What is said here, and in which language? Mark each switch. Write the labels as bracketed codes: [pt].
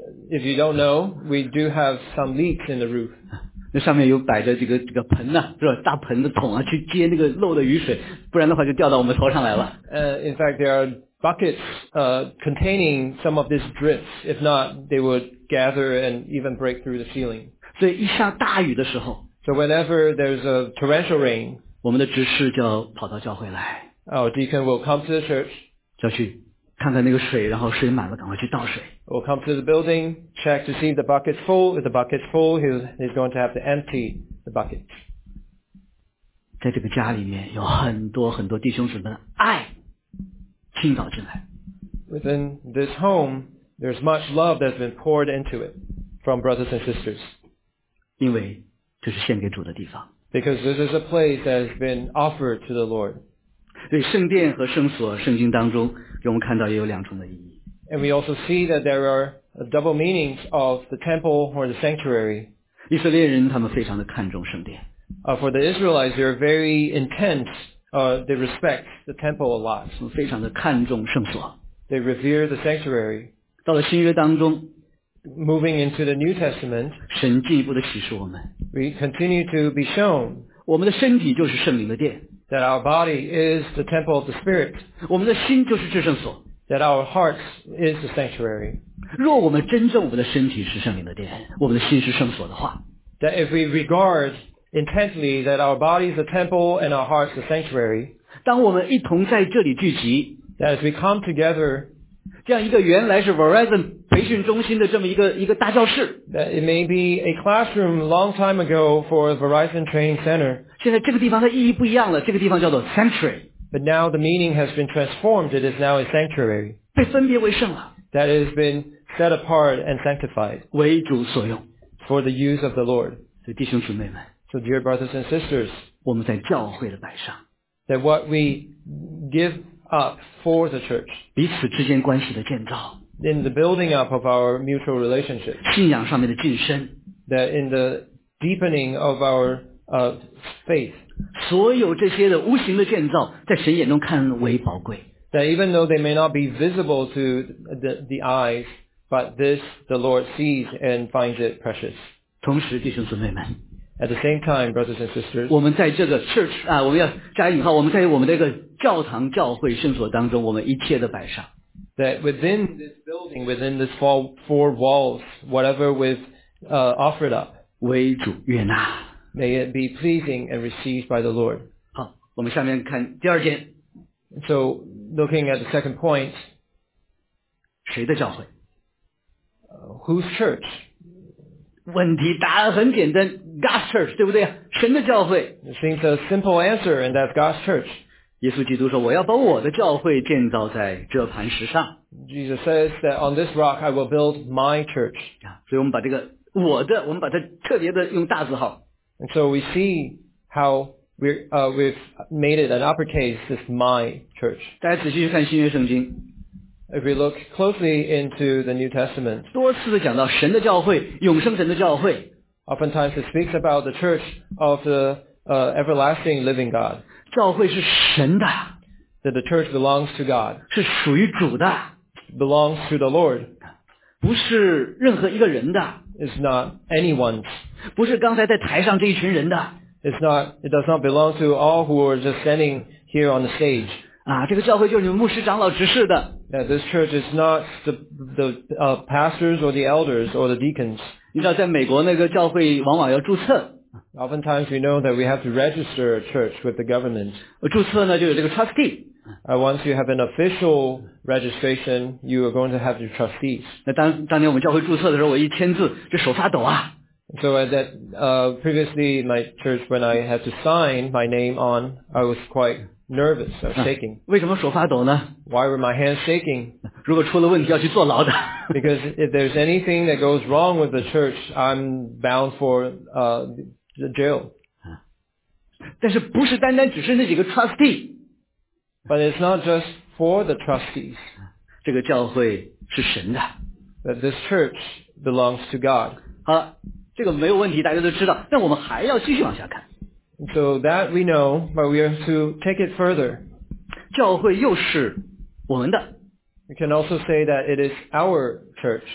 [en] If you don't know, we do have some leaks in the roof. [zh] 那上面有摆着这个盆呢、啊，是吧？大盆的桶啊，去接那个漏的雨水，不然的话就掉到我们头上来了。 [en] In fact, there are buckets containing some of this drips. If not, they would gather and even break through the ceiling. [zh] 所以一下大雨的时候 [en] ，So whenever there's a torrential rain, [zh] 我们的执事就要跑到教会来。 [en] Our deacon will come to the church. [zh] 就去看看那个水，然后水满了，赶快去倒水。 [en] We'll come to the building, check to see if the bucket's full. If the bucket's full, he's going to have to empty the bucket. [zh] 在这个家里面有很多很多弟兄姊妹的爱倾倒进来。 [en] Within this home, there's much love that's been poured into it from brothers and sisters. [zh] 因为这是献给主的地方。 [en] Because this is a place that has been offered to the Lord. [zh] 对圣殿和圣所，圣经当中给我们看到也有两重的意义。 [en] And we also see that there are double meanings of the temple or the sanctuary. [zh] 以色列人他们非常的看重圣殿。 [en] For the Israelites, they are very intense. They respect the temple a lot. [zh] 非常的看重圣所。 [en] They revere the sanctuary. [zh] 到了新约当中 [en] ，moving into the New Testament, [zh] 神进一步的启示我们。 [en] We continue to be shown. [zh] 我们的身体就是圣灵的殿。 [en] That our body is the temple of the Spirit. [zh] 我们的心就是至圣所。 [en] That our hearts is the sanctuary. [zh] 若我们真正我们的身体是圣灵的殿，我们的心是圣所的话。 [en] That if we regard intently that our body is the temple and our hearts the sanctuary. [zh] 当我们一同在这里聚集。 [en] That as we come together. [zh] 这样一个原来是 Verizon 培训中心的这么一个大教室。 [en] That it may be a classroom long time ago for Verizon Training Center. [zh] 现在这个地方的意义不一样了，这个地方叫做 sanctuary。 [en] But now the meaning has been transformed. It is now a sanctuary. [zh] 被分别为圣了。 [en] That has been set apart and sanctified. [zh] 为主所用。 [en] For the use of the Lord. [zh] 所以弟兄姊妹们。 [en] So dear brothers and sisters. [zh] 我们在教会的摆上。 [en] That what we give up for the church. [zh] 彼此之间关系的建造。 [en] In the building up of our mutual relationship. [zh] 信仰上面的晋升。 [en] That in the deepening of our faith. [zh] 所有这些的无形的建造在神眼中看为宝贵。 [en] That even though they may not be visible to the eyes, but this the Lord sees and finds it precious. [zh] 同时弟兄姊妹们。 [en] At the same time, brothers and sisters. [zh] 我们在这个 church, 我们要加引号，我们在我们这个教堂教会圣所当中，我们一切的摆上。 [en] That within this building, within this four walls, whatever we've offered up. [zh] 为主悦纳。 [en] May it be pleasing and received by the Lord. [zh] 好，我们下面看第二件。 [en] So, looking at the second point. [zh] 谁的教会？ [en] Whose church? [zh] 问题答案很简单， [en] God's church, [zh] 对不对？神的教会。 [en] It seems a simple answer, and that's God's church. [zh] 耶稣基督说，我要把我的教会建造在这磐石上。 [en] Jesus says that on this rock I will build my church. [zh] 所以我们把这个我的，我们把它特别的用大字号。 [en] And so we see how we've made it an uppercase, this my church. [zh] 大家仔细去看新约圣经。 [en] If we look closely into the New Testament, [zh] 多次的讲到神的教会，永生神的教会。 [en] Oftentimes it speaks about the church of the everlasting living God. [zh] 教会是神的。 [en] That the church belongs to God. [zh] 是属于主的。 [en] Belongs to the Lord. [zh] 不是任何一个人的。 [en] It's not anyone's. [zh] 不是刚才在台上这一群人的。 [en] It's not. It does not belong to all who are just standing here on the stage. [zh] 啊，这个教会就是你们牧师长老执事的。 [en] Yeah, this church is not the pastors or the elders or the deacons. [zh] 你知道，在美国那个教会往往要注册。 [en] Oftentimes we know that we have to register a church with the government. [zh] 注册呢，就有这个 trustee. [en] Once you have an official registration, you are going to have your trustees. [zh] 那当年我们教会注册的时候，我一签字，这手发抖啊。 [en] So that previously my church, when I had to sign my name on, I was quite nervous, I was shaking. [zh] 为什么手发抖呢？ [en] Why were my hands shaking? [zh] 如果出了问题，要去坐牢的。 [en] Because if there's anything that goes wrong with the church, I'm bound for the jail. [zh] 但是不是单单只是那几个 trustee。 [en] But it's not just for the trustees. [zh] 这个教会是神的。 [en] That this church belongs to God. [zh] 好了，这个没有问题，大家都知道。但我们还要继续往下看。 [en] So that we know, but we have to take it further. [zh] 教会又是我们的。 [en] We can also say that it is our church.